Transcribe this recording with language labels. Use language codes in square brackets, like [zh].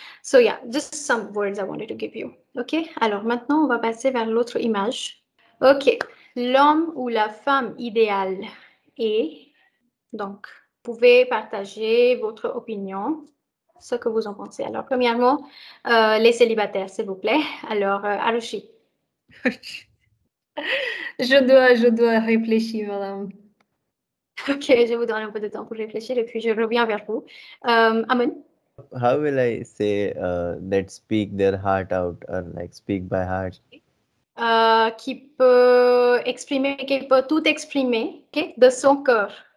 [en] So, yeah, just some words I wanted to give you. OK? [fr] Alors, maintenant, on va passer vers l'autre image. OK. L'homme ou la femme idéale est... Donc, vous pouvez partager votre opinion, ce que vous en pensez. Alors, premièrement, les célibataires, s'il vous plaît. Alors, Arushi. Je dois réfléchir, madame. OK, je vous donne un peu de temps pour réfléchir et puis je reviens vers vous. Amen. [en] How will I say that speak their heart out or like speak by heart? [fr] Qui peut exprimer, qui peut tout exprimer, okay, de son cœur.